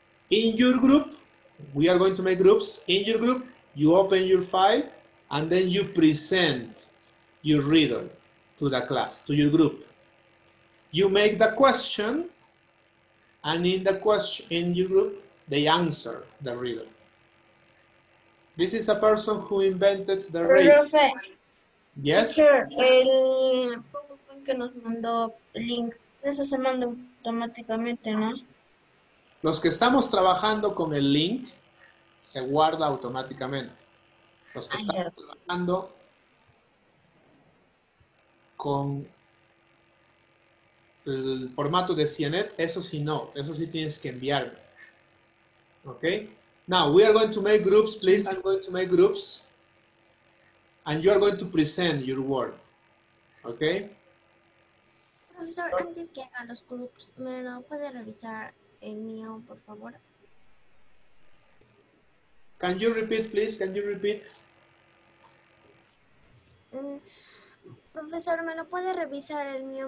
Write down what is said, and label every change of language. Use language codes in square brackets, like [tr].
[en] In your group, we are going to make groups. In your group, you open your file, and then you present your riddle to the class, to your group. You make the question, and in the question, in your group, they answer the riddle. This is a person who invented the riddle. Yes? Sure. Yes. [es] El que nos mandó el link, eso se manda automáticamente, ¿no? Los que estamos trabajando con el link, se guarda automáticamente. Los que están trabajando con el formato de CNET, eso sí no, eso sí tienes que enviarme. [en] Ok. Now, we are going to make groups, please. I'm going to make groups. And you are going to present your work. Ok. [es] Profesor, antes que haga los groups, ¿me lo puede revisar el mío, por favor? [en] Can you repeat, please? Can you repeat? [es] Profesor, ¿me lo puede revisar el mío?